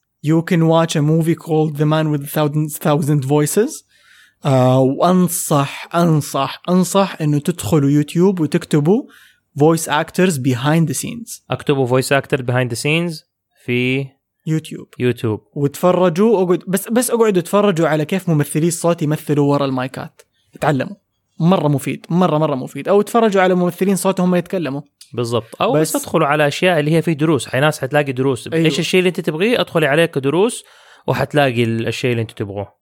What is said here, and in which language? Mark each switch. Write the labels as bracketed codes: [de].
[en] You can watch a movie called The Man with Thousand Voices. [ar] وأنصح إنه تدخلوا يوتيوب وتكتبوا [en] voice actors behind the scenes. [ar] أكتبوا [en] voice actors behind the scenes [ar] في يوتيوب وتفرجوا اقعدوا تفرجوا على كيف ممثلي الصوت يمثلوا ورا المايكات. تعلموا، مره مفيد، مره مفيد. او تفرجوا على ممثلين صوتهم يتكلموا بالضبط، او بس ادخلوا على اشياء اللي هي فيه دروس. حي ناس حتلاقي دروس. أيوه. ايش الشيء اللي انت تبغيه ادخلي عليه كدروس وحتلاقي الشيء اللي انت تبغوه.